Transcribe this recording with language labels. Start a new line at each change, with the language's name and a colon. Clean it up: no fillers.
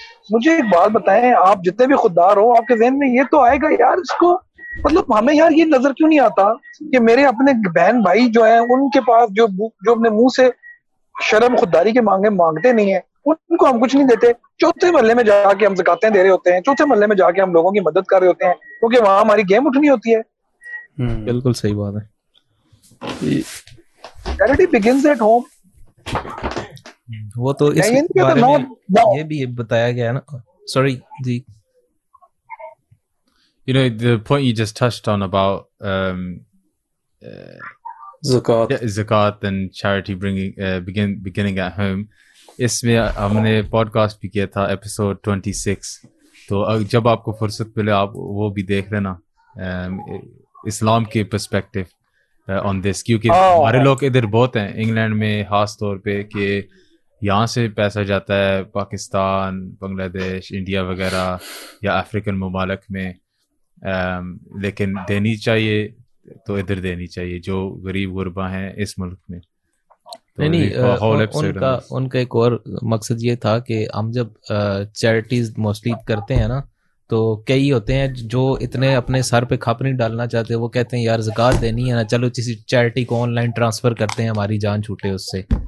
Urdu: مجھے ایک بات بتائیں, آپ جتنے بھی خوددار ہو آپ کے ذہن میں یہ تو آئے گا یار اس کو, مطلب ہمیں یار یہ نظر کیوں نہیں آتا کہ میرے اپنے بہن بھائی جو ہیں ان کے پاس جو اپنے منہ سے شرم خودداری کے مانگتے نہیں ہیں ان کو ہم کچھ نہیں دیتے, چوتھے محلے میں جا کے ہم زکاتیں دے رہے ہوتے ہیں, چوتھے محلے میں جا کے ہم لوگوں کی مدد کر رہے ہوتے ہیں کیونکہ وہاں ہماری گیم اٹھنی ہوتی ہے. بالکل صحیح بات ہے,
English: Charity begins at home.
Urdu: وہ تو اس بارے میں یہ بھی بتایا گیا نا, sorry جی.
English: You know, the point you just touched on about
Urdu: zakat
English: and charity beginning at home,
Urdu: isme humne podcast bhi kiya tha episode 26, to jab aapko fursat mile aap wo bhi dekh lena, islam ke perspective on this, kyunki hamare log idhar bahut hain england mein khas taur pe ke یہاں سے پیسہ جاتا ہے پاکستان, بنگلہ دیش, India وغیرہ یا African ممالک میں, لیکن دینی چاہیے تو ادھر دینی چاہیے جو غریب غربا ہیں اس ملک میں. ان کا ایک اور مقصد یہ تھا کہ ہم جب چیریٹیز موسٹلی کرتے ہیں نا تو کئی ہوتے ہیں جو اتنے اپنے سر پہ کھپ نہیں ڈالنا چاہتے, وہ کہتے ہیں یار زکات دینی ہے نا, چلو کسی چیریٹی کو آن لائن ٹرانسفر کرتے ہیں ہماری جان چھوٹے اس سے.